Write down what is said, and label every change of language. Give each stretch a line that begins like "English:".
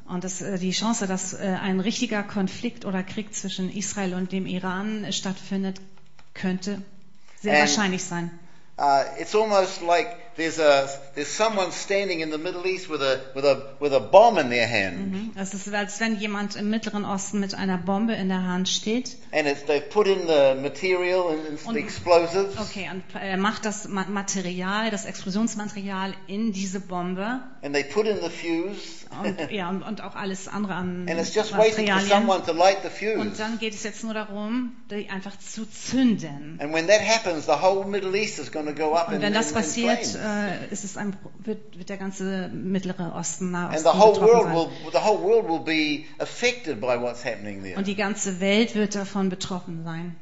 German: Und das, die Chance, dass ein richtiger Konflikt oder Krieg zwischen Israel und dem Iran stattfindet, könnte sehr wahrscheinlich sein.
English: It's almost like there's someone standing in the Middle East with a bomb in their hand.
German: Es ist, als wenn jemand im Mittleren Osten mit einer Bombe in der Hand steht.
English: And they've put in the material and the explosives.
German: Okay, und er macht das Material, das Explosionsmaterial in diese Bombe.
English: And they put in the fuse.
German: Und auch alles andere an Materialien.
English: And it's just waiting for someone to light the fuse.
German: Und dann geht es jetzt nur darum, die einfach zu zünden.
English: And when that happens, the whole Middle East is going to go up in flames.
German: Ist es wird der ganze Mittlere Osten, Nahe Osten betroffen sein. Und die ganze Welt wird davon betroffen sein.